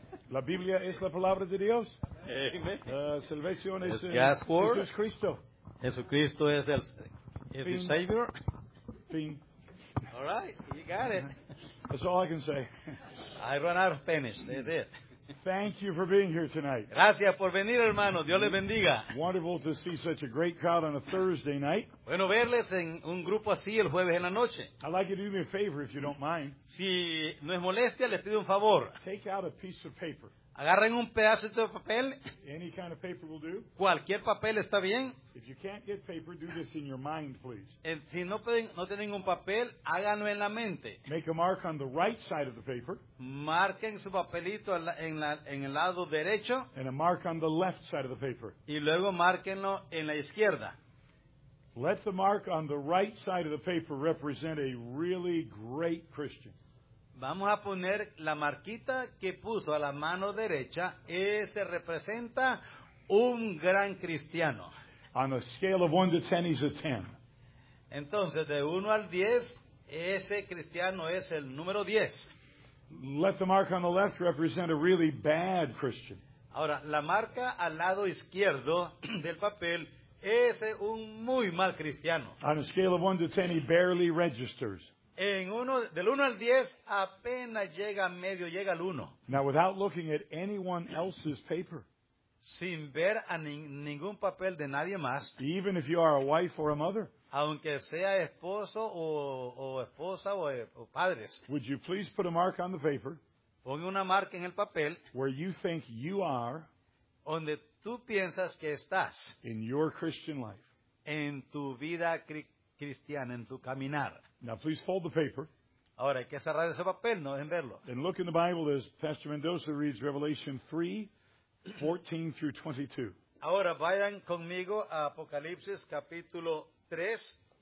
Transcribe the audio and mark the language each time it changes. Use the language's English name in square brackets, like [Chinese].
[Spanish] La Biblia es la palabra de Dios. Salvación es Jesús Cristo. Jesucristo es el Savior. Fin. [English] All right, you got it. That's all I can say. I run out of Spanish, that's it. Thank you for being here tonight. [Spanish] Gracias por venir, hermano. Dios le bendiga. [English] Wonderful to see such a great crowd on a Thursday night. [Spanish] Bueno verles en un grupo así el jueves en la noche. [English] I'd like you to do me a favor if you don't mind. [Spanish] Si no es molestia, les pido un favor. [English] Take out a piece of paper. [Spanish] Agarren un pedazo de papel. [English] Any kind of paper will do. [Spanish] Cualquier papel está bien. [English] If you can't get paper, do this in your mind, please. [Spanish] Si no pueden, no tienen un papel, háganlo en la mente. [English] Make a mark on the right side of the paper. [Spanish] Marquen su papelito en el lado derecho. [English] And a mark on the left side of the paper. [Spanish] Y luego márquenlo en la izquierda. [English] Let the mark on the right side of the paper represent a really great Christian. [Spanish] Vamos a poner la marquita que puso a la mano derecha. Este representa un gran cristiano. [English] On a scale of 1 to 10, he's a 10. [Spanish] Entonces, de 1 al 10, ese cristiano es el número 10. [English] Let the mark on the left represent a really bad Christian. [Spanish] Ahora, la marca al lado izquierdo del papel es un muy mal cristiano. [English] On a scale of 1 to 10, he barely registers. [Spanish] En uno, del 1 al 10, apenas llega a medio, llega al 1. [English] Now, without looking at anyone else's paper. [Spanish] Sin ver a ningún papel de nadie más. [English] Even if you are a wife or a mother. [Spanish] Aunque sea esposo o esposa o padres. [English] Would you please put a mark on the paper. [Spanish] Ponga una marca en el papel. [English] Where you think you are. [Spanish] Donde tú piensas que estás. [English] In your Christian life. [Spanish] En tu vida cristiana, en tu caminar. [English] Now please fold the paper. [Spanish] Ahora hay que cerrar ese papel, no dejen verlo. [English] And look in the Bible as Pastor Mendoza reads Revelation 3, 14 through 22. [Spanish] Ahora vayan conmigo a Apocalipsis capítulo 3.